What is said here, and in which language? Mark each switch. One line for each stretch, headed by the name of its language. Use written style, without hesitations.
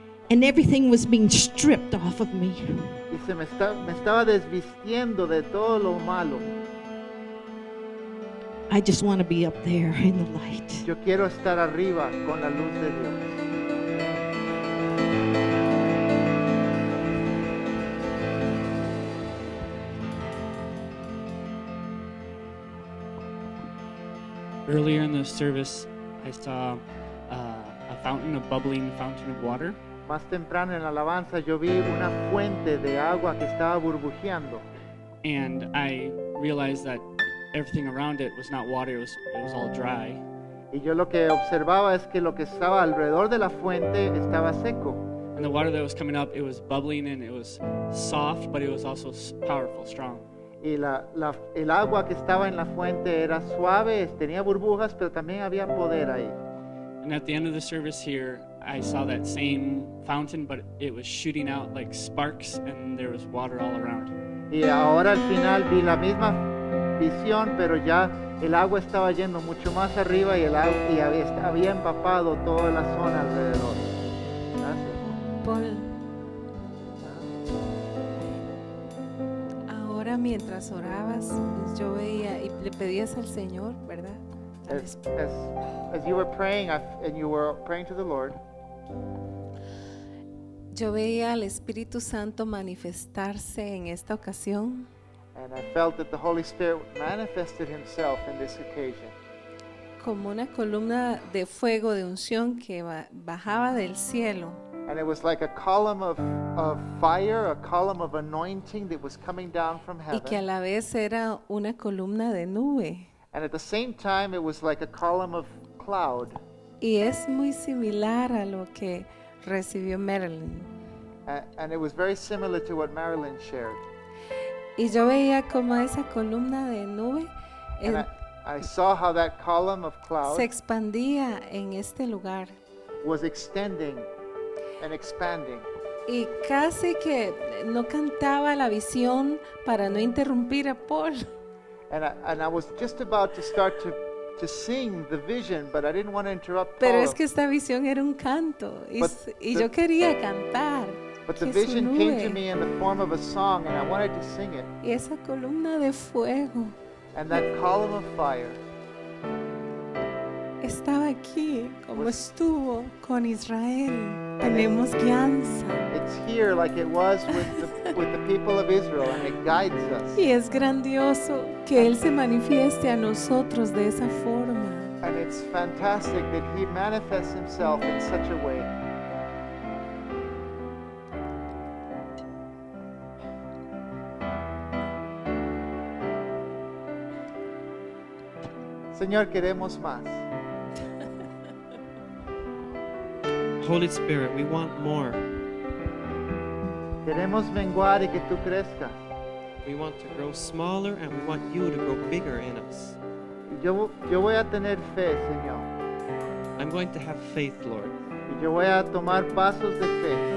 English: And everything was being stripped off of me.
Spanish: Y me estaba desvistiendo de todo lo malo.
English: I just want to be up there in the light.
Spanish: Yo quiero estar arriba con la luz de Dios.
English: Earlier in the service, I saw a fountain, a bubbling fountain of water.
Spanish: Más temprano en la alabanza, yo vi una fuente de agua que estaba burbujeando.
English: And I realized that everything around it was not water, it was all dry.
Spanish: Y yo lo que observaba es que lo que estaba alrededor de la fuente estaba seco.
English: And the water that was coming up, it was bubbling and it was soft, but it was also powerful, strong.
Spanish: Y el agua que estaba en la fuente era suave, tenía burbujas, pero también había poder ahí.
English: And at the end of the service here, I saw that same fountain, but it was shooting out like sparks, and there was water all around.
Spanish: Y ahora al final vi la misma visión, pero ya el agua estaba yendo mucho más arriba y había empapado toda la zona alrededor. Gracias. Paul. Ahora mientras orabas, yo veía y le pedías al Señor, ¿verdad?
English: As you were praying and you were praying to the Lord.
Spanish: Yo veía al Espíritu Santo manifestarse en esta ocasión.
English: And I felt that the Holy Spirit manifested himself in this occasion.
Spanish: Como una columna de fuego de unción que bajaba del cielo.
English: And it was like a column of fire, a column of anointing that was coming down from heaven.
Spanish: Y que a la vez era una columna de nube.
English: And at the same time it was like a column of cloud.
Spanish: Y es muy similar a lo que recibió Marilyn.
English: And it was very similar to what Marilyn shared.
Spanish: Y yo veía como esa columna de nube
English: I saw how that column of cloud
Spanish: se expandía en este lugar.
English: Was extending and expanding.
Spanish: Y casi que no cantaba la visión para no interrumpir a Paul.
English: And I was just about to start to sing the vision, but I didn't want to interrupt Paul.
Spanish: Pero es que esta visión era un canto, y yo quería cantar.
English: But the vision came to me in the form of a song, and I wanted to sing it.
Spanish: Y esa columna de fuego.
English: And that column of fire.
Spanish: Estaba aquí, como estuvo con Israel. Tenemos guianza.
English: It's here, like it was with the people of Israel, and it guides us.
Spanish: Y es grandioso que él se manifieste a nosotros de esa forma.
English: And it's fantastic that he manifests himself in such a way.
Spanish: Señor, queremos más.
English: Holy Spirit, we want more.
Spanish: Queremos menguar y que tú crezcas.
English: We want to grow smaller and we want you to grow bigger in us.
Spanish: Yo voy a tener fe, Señor.
English: I'm going to have faith, Lord.
Spanish: Y yo voy a tomar pasos de fe.